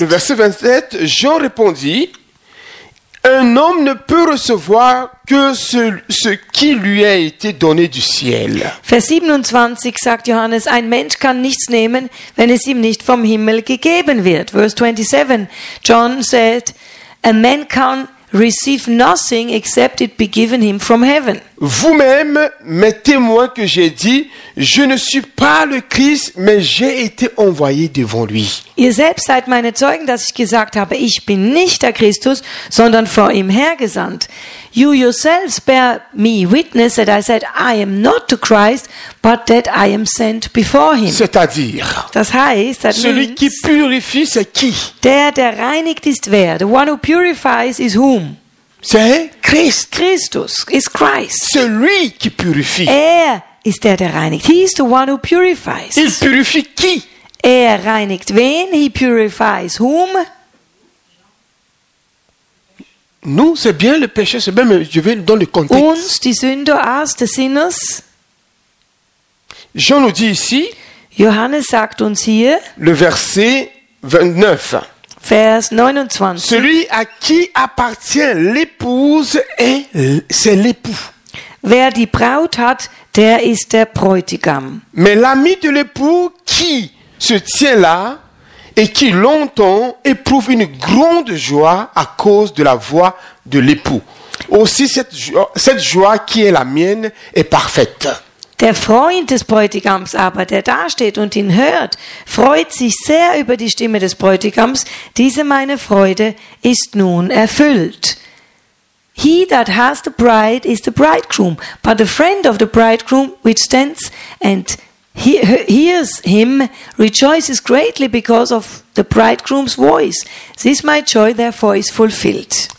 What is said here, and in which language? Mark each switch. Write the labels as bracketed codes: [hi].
[fr] Le verset 27, Jean répondit, un homme ne peut recevoir que ce qui lui a été donné du ciel. [de] Vers 27 sagt Johannes, ein Mensch kann nichts nehmen, wenn es ihm nicht vom Himmel gegeben wird. [en] Verse 27, John said, a man can receive nothing except it be given him from heaven. [fr] Vous-même, mes témoins que j'ai dit, je ne suis pas le Christ, mais j'ai été envoyé devant lui. [de] Ihr selbst seid meine Zeugen, dass ich gesagt habe, ich bin nicht der Christus, sondern vor ihm hergesandt. [en] You yourselves bear me witness that I said, I am not the Christ, but that I am sent before him. [fr] C'est-à-dire, [de] das heißt, that [fr] celui [en] means, [fr] qui purifie, c'est qui? [de] Der reinigt, ist wer? [en] The one who purifies is whom? [fr] C'est Christ. [de] Christus [en] is Christ. [fr] Celui qui purifie. [de] Er ist der reinigt. [en] He is the one who purifies. [fr] Il purifie qui? [de] Er reinigt wen? [en] He purifies whom? [fr] Nous, c'est bien le péché, c'est bien, mais je vais dans le contexte. [de] Uns, die Sünde, [en] us, the sinners. [fr] Jean nous dit ici. [de] Johannes sagt uns hier. [fr] Le verset 29. [de] Vers 29. [fr] Celui à qui appartient l'épouse est, c'est l'époux. [de] Wer die Braut hat, der ist der Bräutigam. [fr] Mais l'ami de l'époux qui se tient là et qui longtemps éprouve une grande joie à cause de la voix de l'époux. Aussi cette joie qui est la mienne est parfaite. [de] Der Freund des Bräutigams aber, der dasteht und ihn hört, freut sich sehr über die Stimme des Bräutigams. Diese meine Freude ist nun erfüllt. [en] He that has the bride is the bridegroom, but the friend of the bridegroom, which stands and hears him, rejoices greatly because of the bridegroom's voice. This my joy therefore is fulfilled.